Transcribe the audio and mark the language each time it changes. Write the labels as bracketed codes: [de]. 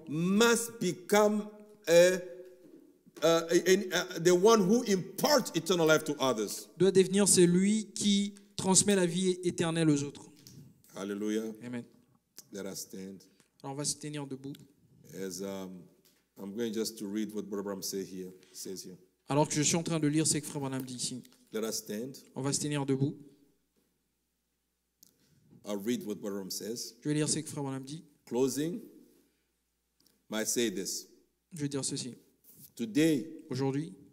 [en] must become the one who imparts eternal life to others. [fr] Doit devenir celui qui transmet la vie éternelle aux autres. Hallelujah. Amen. [en] Let us stand. [fr] Alors, on va se tenir debout. [en] As I'm going just to read what Brother Branham says here. [fr] Alors que je suis en train de lire ce que Frère Branham dit ici. [en] Let us stand. [fr] On va se tenir debout. [en] I'll read what Brother Branham says. [fr] Je vais lire ce que Frère Branham dit. [en] Closing. May I say this? [fr] Je vais dire ceci. [en] Today. [fr] Aujourd'hui.